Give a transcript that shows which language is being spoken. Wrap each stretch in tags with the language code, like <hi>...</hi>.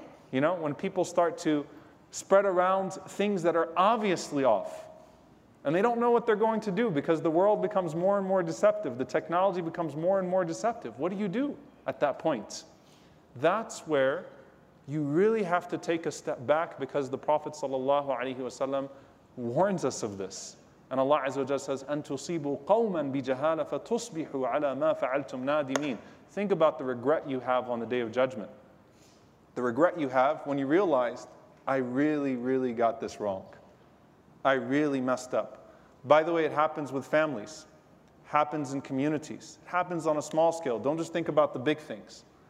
<en>You know, when people start to spread around things that are obviously off, and they don't know what they're going to do because the world becomes more and more deceptive, the technology becomes more and more deceptive. What do you do at that point? That's where you really have to take a step back because the Prophet sallallahu alaihi wasallam warns us of this. And Allah Azza wa Jalla says,</en> <ar>أَن تُصِيبُوا قَوْمًا بِجَهَالَةٍ فَتُصْبِحُوا عَلَى مَا فَعَلْتُمْ نَادِمِينَ.</ar> <en>Think about the regret you have on the Day of Judgment. The regret you have when you realized, I really, really got this wrong. I really messed up. By the way, it happens with families. happens in communities. It happens on a small scale. Don't just think about the big things.</en>